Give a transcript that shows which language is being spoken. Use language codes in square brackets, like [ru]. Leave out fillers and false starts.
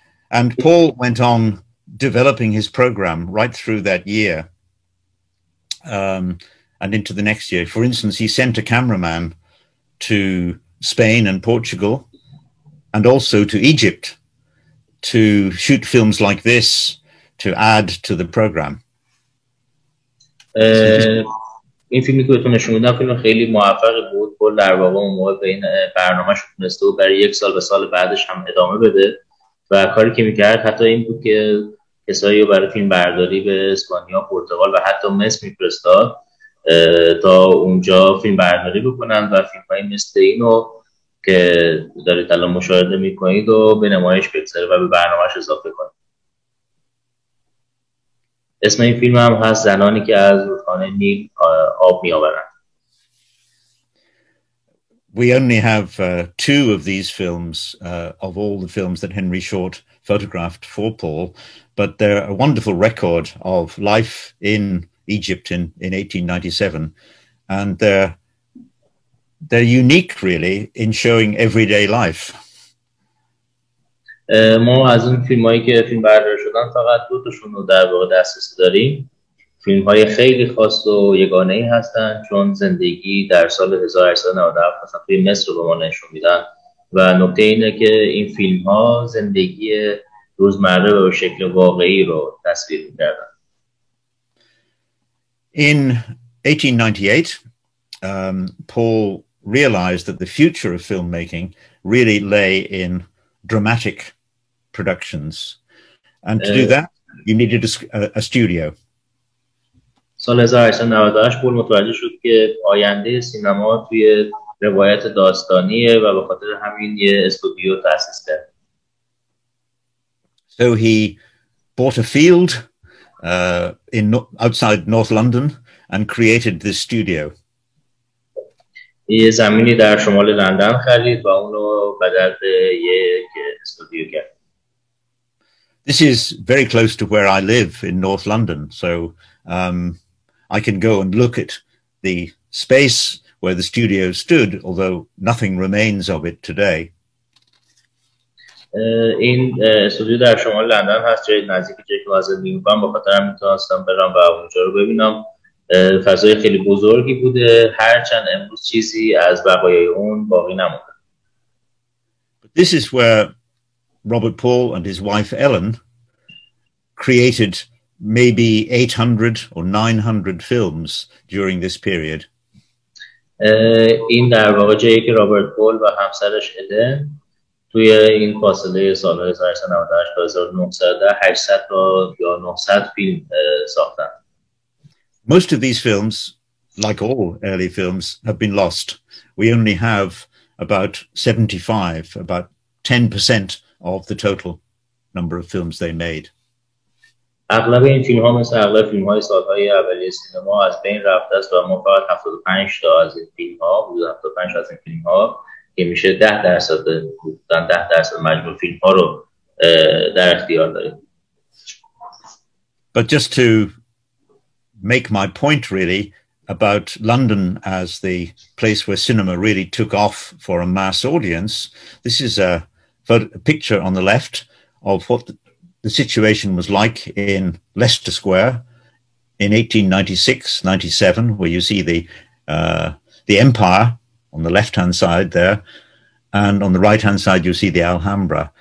[en] And Paul went on developing his program right through that year and into the next year. For instance, he sent a cameraman to Spain and Portugal, and also to Egypt, to shoot films like this to add to the program. [fa] این فیلمی که بهتون نشون میدم فیلم خیلی موفقی بود. پول در واقع اون موقع به این برنامه‌اش تونسته و برای یک سال به سال بعدش هم ادامه بده و کاری که میکرد حتی این بود که کسایی رو برای فیلم برداری به اسپانیا، پرتغال و حتی مصر میفرستاد تا اونجا فیلم برداری بکنن و فیلم های مثل اینو که دارید الان مشاهده میکنید و به نمایش بگذاره و به برنامهش اضافه کنید. اسم این فیلم هم هست زنانی که از رودخانه نیل آب میآورند. [en] We only have two of these films of all the films that Henry Short photographed for Paul, but they're a wonderful record of life in Egypt in 1897, and they're unique really in showing everyday life. [fa] ما از این فیلمایی که فیلم برداری شدن فقط دو تاشون رو در واقع دسترسی داریم. فیلم‌های خیلی خاص و یگانه‌ای هستن، چون زندگی در سال 1897 مثلا توی مصر به ما نشون میدن و نکته اینه که این فیلم‌ها زندگی روزمره به شکل واقعی رو تصویر می‌کردن. [en] In 1898, Paul realized that the future of filmmaking really lay in dramatic productions. And to do that, you needed a studio. [fa] سال 1898 پول متوجه شد که آینده سینما توی روایت داستانیه و به خاطر همین یه استودیو تأسیس کرد. [en] So he bought a field in outside North London and created this studio. [fa] یه زمینی در شمال لندن خرید و اونو بدل به یک استودیو کرد. [en] This is very close to where I live in North London, so I can go and look at the space where the studio stood, although nothing remains of it today. [fa] این استودیو در شمال لندن هست، جای نزدیک جایی که زندگی می‌کنم، بخاطر همین میتونستم برم و اونجا رو ببینم. فضای خیلی بزرگی بوده، هرچند امروز چیزی از بقایای اون باقی نمونده. [en] This is where Robert Paul and his wife Ellen created maybe 800 or 900 films during this period. [fa] این در واقع جایی که رابرت پول و همسرش ادن توی این فاصله سال 1998 تا 1910 800 یا 900 فیلم ساختن. [en] Most of these films, like all early films, have been lost. We only have about 75, about 10% of the total number of films they made. [fa] اغلب این فیلم ها مثل اغلب فیلم های سالهای اولیه سینما از بین رفته است و ما فقط 75 تا از این فیلم ها بود 75 از این فیلم ها که میشه 10% بودن 10% مجموع فیلم ها رو در اختیار داریم. [en] But just to make my point really about London as the place where cinema really took off for a mass audience, this is a picture on the left of what the situation was like in Leicester Square in 1896-97, where you see the Empire on the left-hand side there, and on the right-hand side you see the Alhambra.